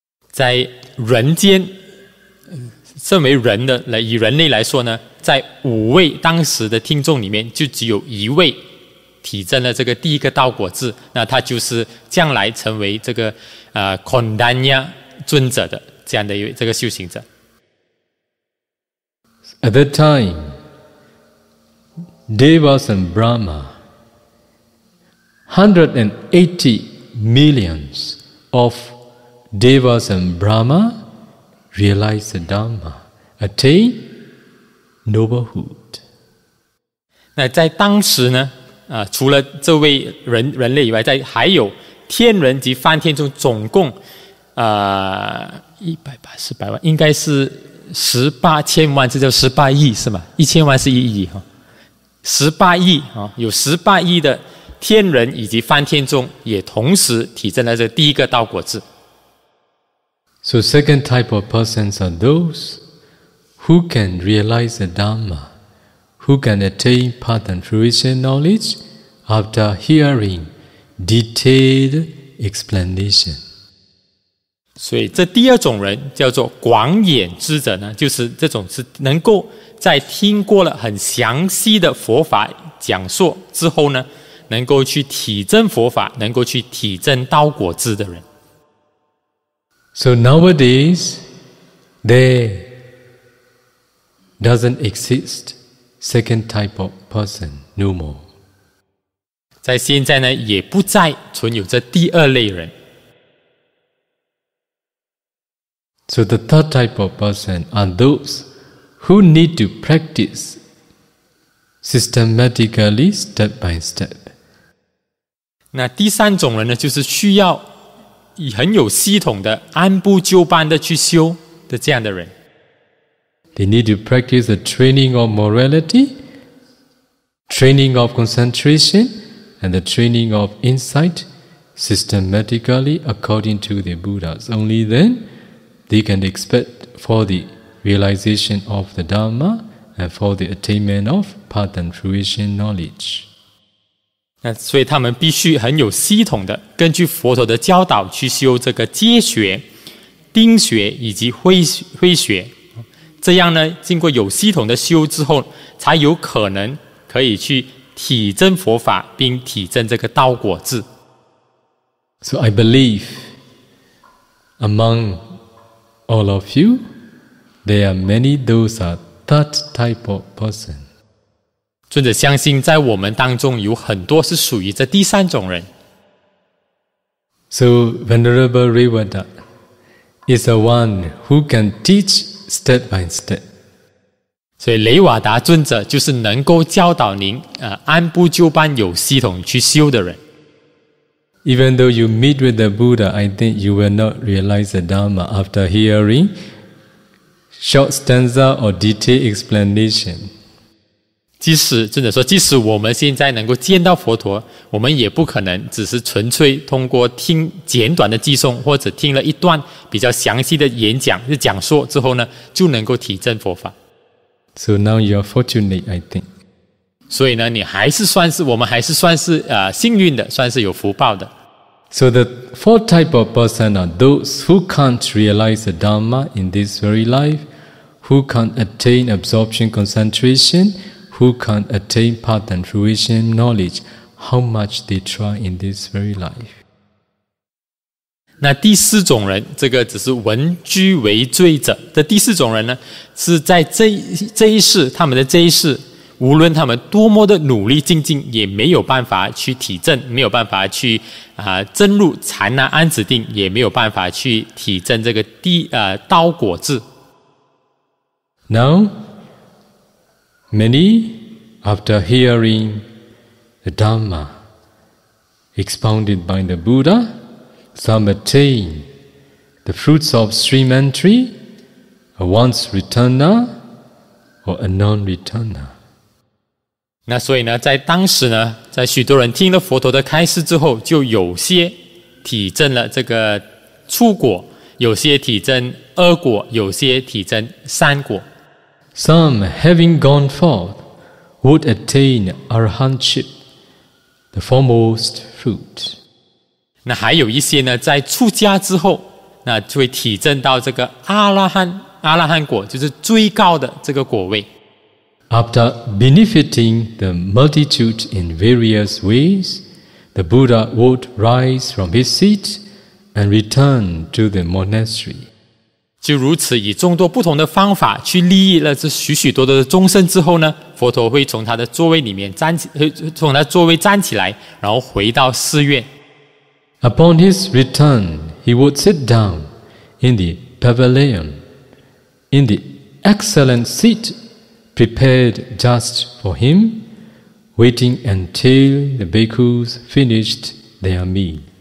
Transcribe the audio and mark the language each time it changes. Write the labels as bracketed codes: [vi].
[zh] 在人间，身为人的来以人类来说呢，在五位当时的听众里面，就只有一位体证了这个第一个道果智，那他就是将来成为这个Kondanya 尊者的这样的一位这个修行者。 [en] At that time, Devas and Brahma, 180 millions of Devas and Brahma realize the Dharma, attain noblehood. [zh] 那在当时呢？除了这位 人类以外，在还有天人及梵天中总共180万，应该是18000万，这叫18亿是吗？ 1000万是1亿哈，18亿啊，有18亿的天人以及梵天中也同时体证了这第一个道果智。 [en] So second type of persons are those who can realize the Dharma, who can attain path and fruition knowledge. After hearing detailed explanation. [zh] 所以这第二种人叫做广眼智者呢，就是这种是能够在听过了很详细的佛法讲述之后呢，能够去体证佛法，能够去体证道果智的人。 [en] So nowadays, there doesn't exist second type of person no more. [zh] 在现在呢，也不再存有这第二类人。 [en] So the third type of person are those who need to practice systematically, step by step. [zh] 那第三种人呢，就是需要很有系统的、按部就班的去修的这样的人。 [en] They need to practice the training of morality, training of concentration. And the training of insight systematically according to the Buddhas. Only then they can expect for the realization of the Dharma and for the attainment of path and fruition knowledge. [zh] 那所以他们必须很有系统的根据佛陀的教导去修这个戒学、定学以及慧学。这样呢，经过有系统的修之后，才有可能可以去体证佛法并体证这个道果智。 [en] So I believe among all of you there are many those are that type of person. [zh] 尊者相信在我们当中有很多是属于这第三种人。 [en] So Venerable Revada is the one who can teach step by step. [zh] 所以雷瓦达尊者就是能够教导您按部就班有系统去修的人。 [en] Even though you meet with the Buddha, I think you will not realize the Dharma after hearing short stanza or detailed explanation. [zh] 即使尊者说，即使我们现在能够见到佛陀，我们也不可能只是纯粹通过听简短的偈颂或者听了一段比较详细的演讲就讲说之后呢，就能够体证佛法。 [en] So now you are fortunate, I think. [zh] 所以呢，你还是算是我们还是算是幸运的，算是有福报的。 [en] So the four type of person are those who can't realize the Dharma in this very life, who can't attain absorption concentration, who can't attain path and fruition knowledge, how much they try in this very life. [zh] 那第四种人，这个只是闻居为罪者的第四种人呢？是在这一世，他们的这一世，无论他们多么的努力精进，也没有办法去体证，没有办法去证入禅那安止定，也没有办法去体证这个道果智。 [en] Now, many after hearing the Dhamma expounded by the Buddha some attain the fruits of stream entry, a once returner or a non-returner. [zh] 那所以呢，在当时呢，在许多人听了佛陀的开示之后，就有些体证了这个初果，有些体证二果，有些体证三果。 [en] Some having gone forth would attain arahantship, the foremost fruit. [zh] 那还有一些呢，在出家之后，那就会体证到这个阿拉罕果，就是最高的这个果位。 [en] After benefiting the multitude in various ways, the Buddha would rise from his seat and return to the monastery. [zh] 就如此以众多不同的方法去利益了这许许多多的众生之后呢，佛陀会从他的座位里面站起，从他座位站起来，然后回到寺院。 [en] Upon his return, he would sit down in the pavilion, in the excellent seat prepared just for him, waiting until the bhikkhus finished their meal.